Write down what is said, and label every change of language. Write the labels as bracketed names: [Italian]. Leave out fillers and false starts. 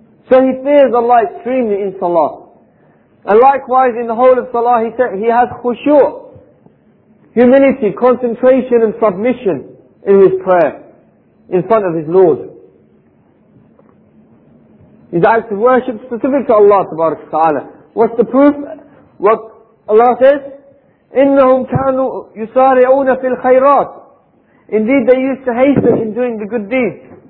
[English] So he fears Allah extremely in Salah. And likewise in the whole of Salah he has khushu', humility, concentration and submission in his prayer in front of his Lord. His acts of worship specific to Allah tabarak ta'ala. What's the proof? What Allah says, [Arabic] إِنَّهُمْ كَانُوا يُسَارِعُونَ فِي الْخَيْرَاتِ. [English] Indeed they used to hasten in doing the good deeds.